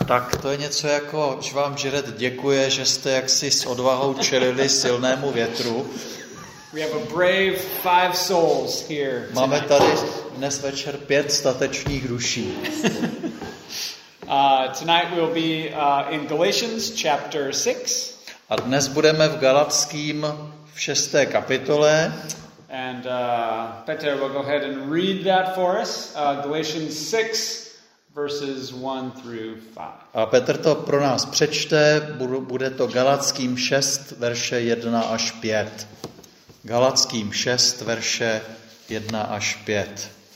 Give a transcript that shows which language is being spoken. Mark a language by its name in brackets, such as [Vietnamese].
[Czech] Tak to je něco jako, že vám Jared děkuje, že jste jaksi s odvahou čelili silnému větru. [English] We have a brave five souls here. [Czech] Máme tady dnes večer pět statečných duší. [English] Tonight we'll be in Galatians chapter 6. [Czech] A dnes budeme v Galatským v 6. kapitole. [English] And Peter will go ahead and read that for us. Galatians 6 verses 1 through 5. [Czech] A Petr to pro nás přečte, bude to Galatským 6 verše 1 až 5. Galatským 6 verše 1 až 5.